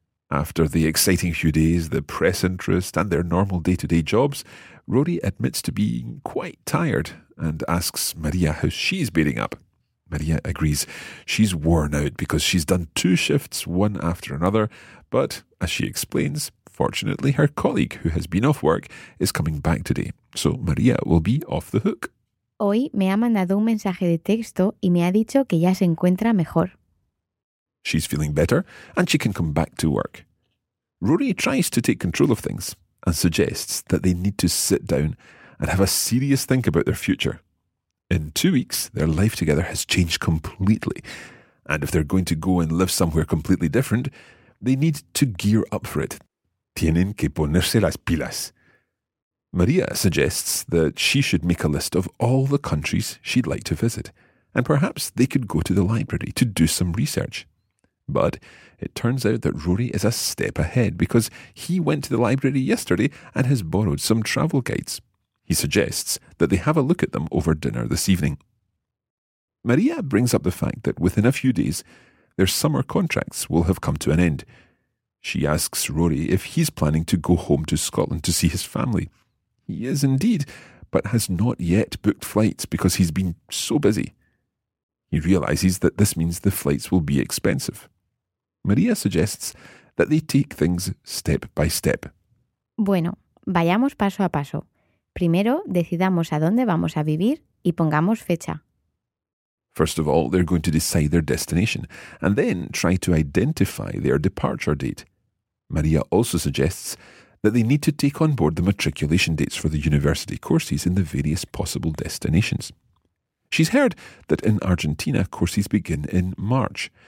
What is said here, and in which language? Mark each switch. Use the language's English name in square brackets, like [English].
[English] After the exciting few days, the press interest and their normal day-to-day jobs, Rory admits to being quite tired and asks Maria how she's beating up. Maria agrees she's worn out because she's done two shifts, one after another, but as she explains, fortunately her colleague who has been off work is coming back today, so Maria will be off the hook. [Spanish] Hoy me ha mandado un mensaje de texto y me ha dicho que ya se encuentra mejor. [English] She's feeling better and she can come back to work. Rory tries to take control of things and suggests that they need to sit down and have a serious think about their future. In 2 weeks, their life together has changed completely. And if they're going to go and live somewhere completely different, they need to gear up for it. [Spanish] Tienen que ponerse las pilas. [English] Maria suggests that she should make a list of all the countries she'd like to visit, and perhaps they could go to the library to do some research. But it turns out that Rory is a step ahead because he went to the library yesterday and has borrowed some travel guides. He suggests that they have a look at them over dinner this evening. Maria brings up the fact that within a few days, their summer contracts will have come to an end. She asks Rory if he's planning to go home to Scotland to see his family. He is indeed, but has not yet booked flights because he's been so busy. He realises that this means the flights will be expensive. Maria suggests that they take things step by step. [Spanish] Bueno, vayamos paso a paso. Primero, decidamos a dónde vamos a vivir y pongamos fecha. [English] First of all, they're going to decide their destination and then try to identify their departure date. Maria also suggests that they need to take on board the matriculation dates for the university courses in the various possible destinations. She's heard that in Argentina, courses begin in March.